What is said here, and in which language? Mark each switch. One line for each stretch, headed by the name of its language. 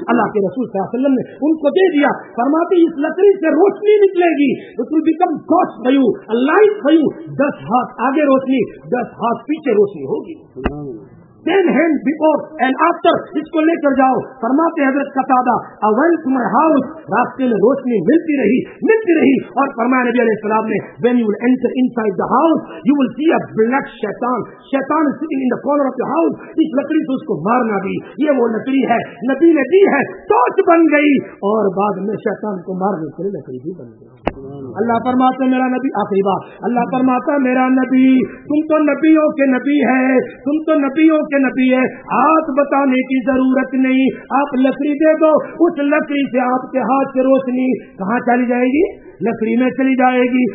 Urdu: اللہ کے رسول صلی اللہ علیہ وسلم نے ان کو دے دیا. فرماتے اس لکڑی سے روشنی نکلے گی,
English: it will become goes few, light few,
Urdu: 10 ہاتھ آگے روشنی, 10 ہاتھ پیچھے روشنی ہوگی,
English: 10 hand before and after.
Urdu: اس کو لے کر جاؤ. فرماتے حضرت قتادہ
English: I went to my house,
Urdu: راستے میں روشنی ملتی رہی ملتی رہی. اور فرمایا نبی علیہ السلام نے
English: When you will enter inside the house you will see a black شیطان, شیطان is sitting in the corner of the house.
Urdu: اس لکڑی سے اس کو مارنا بھی, یہ وہ لکڑی ہے نبی نے دی ہے, ٹارچ بن گئی اور بعد میں شیطان کو مارنے کے لیے لکڑی بھی بن گئی. اللہ فرماتا میرا نبی آخری بات اللہ فرماتا میرا نبی تم تو نبیوں کے نبی ہے تم تو نبیوں کے نبی ہے ہاتھ بتانے کی ضرورت نہیں آپ لکڑی دے دو اس لکڑی سے آپ کے ہاتھ کی روشنی کہاں چلی جائے گی لکڑی میں چلی جائے گی.